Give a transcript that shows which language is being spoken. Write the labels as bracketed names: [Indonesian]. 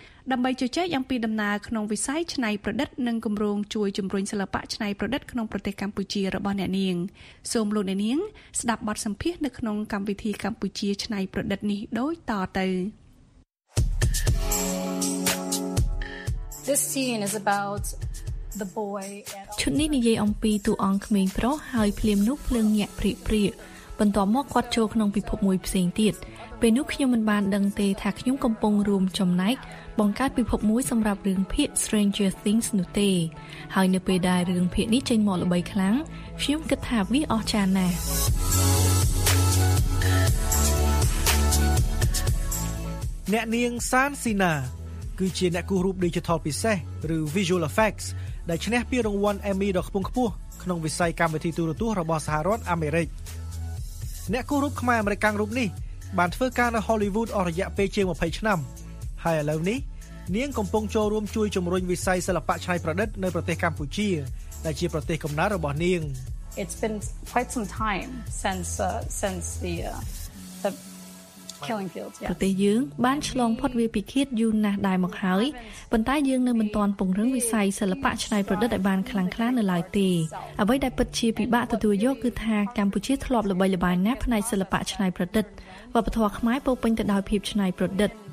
[Khmer] ដើម្បីជជែកអំពីដំណើរក្នុងវិស័យច្នៃប្រឌិតនិងគម្រោងជួយជំរុញសិល្បៈច្នៃប្រឌិតក្នុងប្រទេសកម្ពុជារបស់អ្នកនាងសូមលោកអ្នកនាងស្ដាប់បទសម្ភាសន៍នៅក្នុងកម្មវិធីកម្ពុជាច្នៃប្រឌិតនេះដូចតទៅ [English] This scene is about the boy and [Khmer] ឈុតនេះនិយាយអំពីតួអង្គក្មេងប្រុសហើយភ្លាមនោះភ្លើងញាក់ព្រៀបព្រៀបបន្ទាប់មកគាត់ចូលក្នុងពិភពមួយផ្សេងទៀតពេលនោះខ្ញុំមិនបានដឹងទេថាខ្ញុំកំពុងរួមចំណែកបង្កើតពិភពមួយសម្រាប់រឿងភាគ Stranger Things នោះទេហើយនៅពេលដែលរឿងភាគនេះចេញមកល្បីខ្លាំងខ្ញុំគិតថាវាអស្ចារ្យណាស់អ្នកនាងសានស៊ីណាគឺជាអ្នកគូររូប Digital ពិសេសឬ Visual Effects ដែលឈ្នះពានរង្វាន់ Emmy ដ៏ខ្ពង់ខ្ពស់ក្នុងវិស័យកម្មវិធីទូរទស្សន៍របស់សហរដ្ឋអាមេរិកអ្នកគូររូបខ្មែរអាមេរិកាំងរូបនេះបានធ្វើការនៅ Hollywood អស់រយៈពេលជាង20ឆ្នាំហើយឥឡូវនេះនាងកំពុងចូលរួមជួយជំរុញវិស័យសិល្បៈច្នៃប្រឌិតនៅប្រទេសកម្ពុជាដែលជាប្រទេសកំណើតរបស់នាង [English] It's been quite some time since the killing fields [Khmer] ប្រទេសយើងបានឆ្លងផុតវាពិឃាតយូរណាស់ដែរមកហើយប៉ុន្តែយើងនៅមិនទាន់ពង្រឹងវិស័យសិល្បៈច្នៃប្រឌិតឲ្យបានខ្លាំងក្លានៅឡើយទេអ្វីដែលពិតជាពិបាកទទួលយកគឺថាកម្ពុជាធ្លាប់ល្បីល្បាញណាស់ផ្នែកសិល្បៈច្នៃប្រឌិតវប្បធម៌ខ្មែរពោពេញទៅដោយភាពច្នៃប្រឌិត